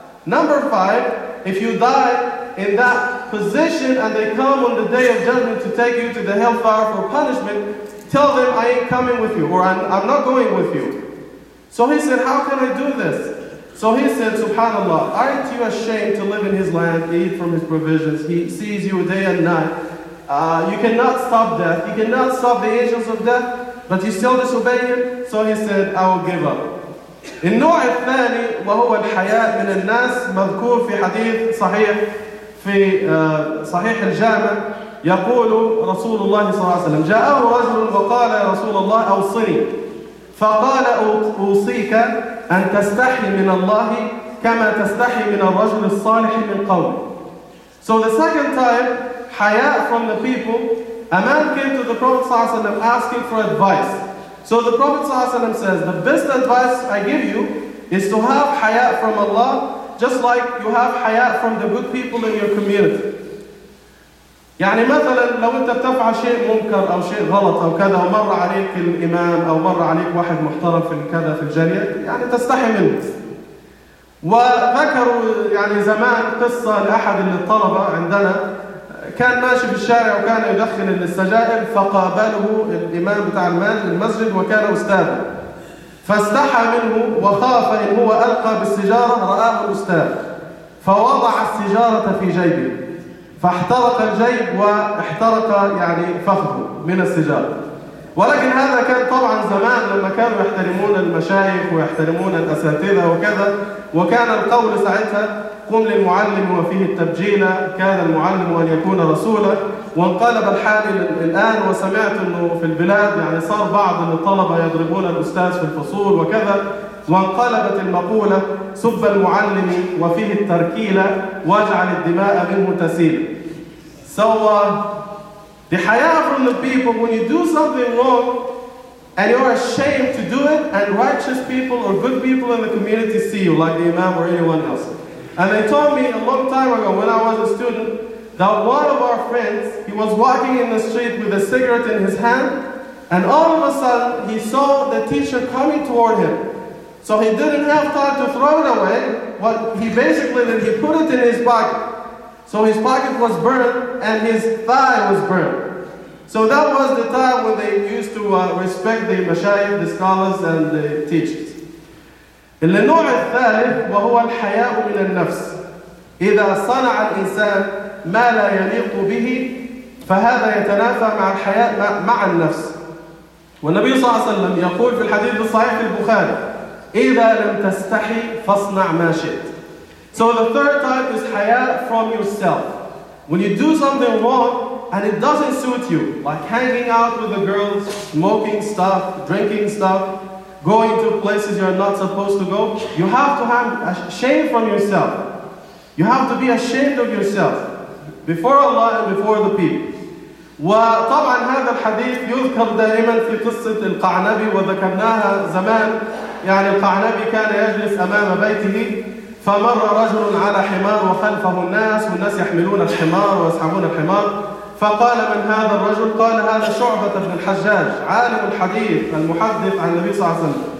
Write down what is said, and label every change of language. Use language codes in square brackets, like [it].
[en] Number five, if you die in that position and they come on the day of judgment to take you to the hellfire for punishment, tell them I ain't coming with you, or I'm not going with you. So he said, how can I do this? So he said, subhanAllah, aren't you ashamed to live in his land, eat from his provisions? He sees you day and night. You cannot stop death. You cannot stop the angels of death, but you still disobey him. So he said, I will give up. [ar] النوع الثاني وهو الحياء من الناس مذكور في حديث صحيح في صحيح الجامع. يقول رسول الله صلى الله عليه وسلم جاءه رجل وقال يا رسول الله أوصني. فقال أوصيك أن تستحي من الله كما تستحي من الرجل الصالح من قوم. [en] So the second time, حياء from the people, a man came to the Prophet صلى الله عليه وسلم asking for advice. So the Prophet ﷺ says, the best advice I give you is to have haya from Allah, just like you have haya from the good people in your community. [ar] يعني مثلا لو انت بتفعل شيء منكر او شيء غلط او كذا ومر عليك الامام او مر عليك واحد محترم في كذا في الجارية يعني تستحي منه. وذكروا يعني زمان قصة لاحد الطلبة عندنا كان ماشي بالشارع وكان يدخن السجائر فقابله الإمام بتاع المسجد وكان أستاذ فاستحى منه وخاف إن هو ألقى بالسجارة رآه الأستاذ فوضع السجارة في جيبه فاحترق الجيب واحترق يعني فخذه من السجارة. ولكن هذا كان طبعا زمان لما كانوا يحترمون المشايخ ويحترمون الأساتذة وكذا وكان القول ساعتها قم للمعلم وفيه التبجيل كان المعلم أن يكون رسولا. وانقلب الحال الآن وسمعت أنه في البلاد يعني صار بعض الطلبة يضربون الأستاذ في الفصول وكذا وانقلبت المقولة سب المعلم وفيه التركيلة واجعل الدماء منه تسيل. [en] So the haya from the people, when you do something wrong and you are ashamed to do it and righteous people or good people in the community see you like the imam or anyone else. And they told me a long time ago when I was a student that one of our friends, he was walking in the street with a cigarette in his hand and all of a sudden he saw the teacher coming toward him. So he didn't have time to throw it away, but he put it in his pocket. So his pocket was burned and his thigh was burned. So that was the time when they used to respect the mashayikh, the scholars and the teachers. [ar] النوع الثالث وهو الحياء من النفس. إذا صنع الإنسان ما لا يليق به فهذا يتنافى مع الحياء مع النفس. والنبي صلى الله عليه وسلم يقول في الحديث الصحيح البخاري إذا لم تستحي فاصنع ما شئت. [en] So the third type is حياء from yourself. When you do something wrong and it doesn't suit you, like hanging out with the girls, smoking stuff, drinking stuff, going to places you're not supposed to go, you have to have shame from yourself. You have to be ashamed of yourself before Allah and before the people. [ar] وطبعا هذا الحديث يذكر دائما في قصة القعنبي وذكرناها زمان. يعني القعنبي كان يجلس أمام بيته فمر رجل على حمار وخلفه الناس والناس يحملون الحمار ويسحبون الحمار، فقال من هذا الرجل؟ قال هذا شعبة بن الحجاج عالم الحديث المحدث عن النبي صلى الله عليه وسلم.